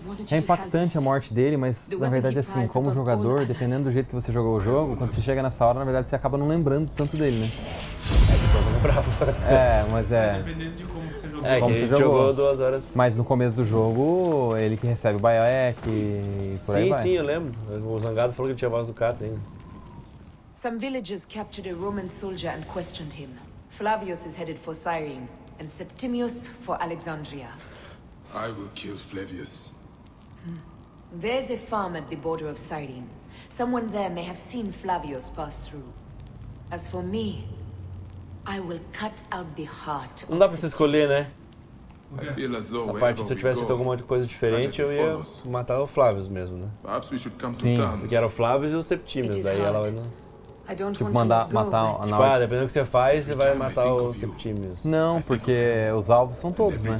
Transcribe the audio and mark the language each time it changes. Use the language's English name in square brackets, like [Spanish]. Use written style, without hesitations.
[Portuguese] É impactante a morte dele, mas na verdade, assim, como jogador, dependendo do jeito que você jogou o jogo, quando você chega nessa hora, na verdade, você acaba não lembrando tanto dele, né? Bravo. É, mas é. Dependendo de como você jogou. É, que ele jogou 2 horas. Mas no começo do jogo, ele que recebe o Baek e por sim, aí vai. Sim, eu lembro. O Zangado falou que ele tinha voz do Cato ainda. [English] Some villagers captured a Roman soldier and questioned him. Flavius is headed for Cyrene and Septimius for Alexandria. I will kill Flavius. There's a farm at the border of Cyrene. Someone there may have seen Flavius pass through. As for me, I will cut out the heart. [Portuguese] Não dá pra se escolher, né? Essa parte, se eu tivesse feito alguma coisa diferente, eu ia matar o Flavius mesmo, né? Sim, porque era o Flavius e o Septimius, daí ela vai... Não... Tipo, mandar matar... Tipo, ah, dependendo do que você faz, você vai matar o Septimius. Não, porque os alvos são todos, né?